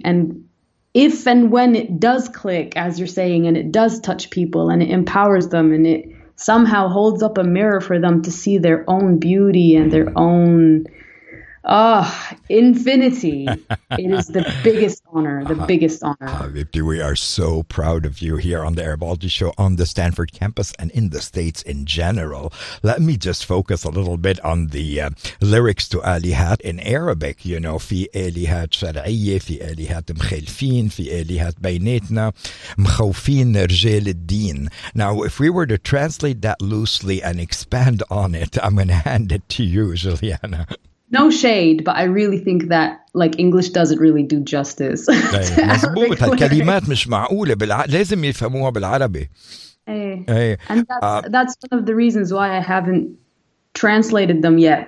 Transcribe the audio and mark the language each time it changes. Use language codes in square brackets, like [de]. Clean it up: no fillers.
[en] And if and when it does click, as you're saying, and it does touch people and it empowers them and it somehow holds up a mirror for them to see their own beauty and their own infinity, it is the biggest honor, Habibti, we are so proud of you here on the Arabology Show on the Stanford campus and in the States in general. Let me just focus a little bit on the lyrics to Alihat in Arabic. You know, [ar] في Alihat شرعية, في Alihat مخالفين, في Alihat بيناتنا, مخوفين رجال الدين. [en] Now, if we were to translate that loosely and expand on it, I'm going to hand it to you, Juliana. No shade, but I really think that, like, English doesn't really do justice. [ar] مزبوط, هالكلمات مش معقولة, لازم يفهموها بالعربي. [en] And that's one of the reasons why I haven't translated them yet.